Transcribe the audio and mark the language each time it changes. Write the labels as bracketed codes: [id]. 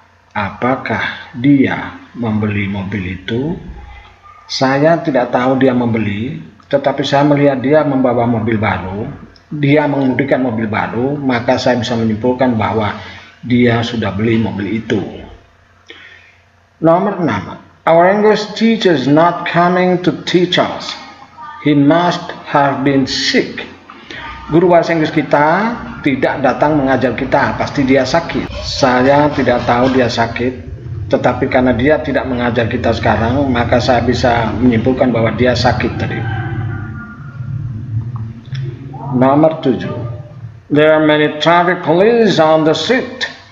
[id] Apakah dia membeli mobil itu? Saya tidak tahu dia membeli, tetapi saya melihat dia membawa mobil baru. Dia mengemudikan mobil baru, maka saya bisa menyimpulkan bahwa dia sudah beli mobil itu. Nomor 6. [en] Our English teacher is not coming to teach us. He must have been sick. [id] Guru bahasa Inggris kita tidak datang mengajar kita. Pasti dia sakit. Saya tidak tahu dia sakit, tetapi karena dia tidak mengajar kita sekarang, maka saya bisa menyimpulkan bahwa dia sakit tadi. Nomor 7. [en] There are many traffic police on the street.